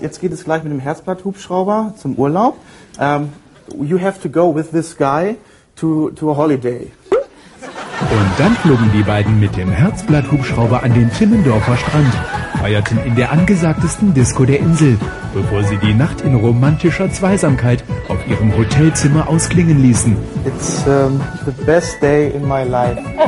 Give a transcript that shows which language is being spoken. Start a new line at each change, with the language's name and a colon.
German: Jetzt geht es gleich mit dem Herzblatt-Hubschrauber zum Urlaub.
English: You have to go with this guy to a holiday.
German: Und dann flogen die beiden mit dem Herzblatt-Hubschrauber an den Timmendorfer Strand, feierten in der angesagtesten Disco der Insel, bevor sie die Nacht in romantischer Zweisamkeit auf ihrem Hotelzimmer ausklingen ließen.
English: It's the best day in my life.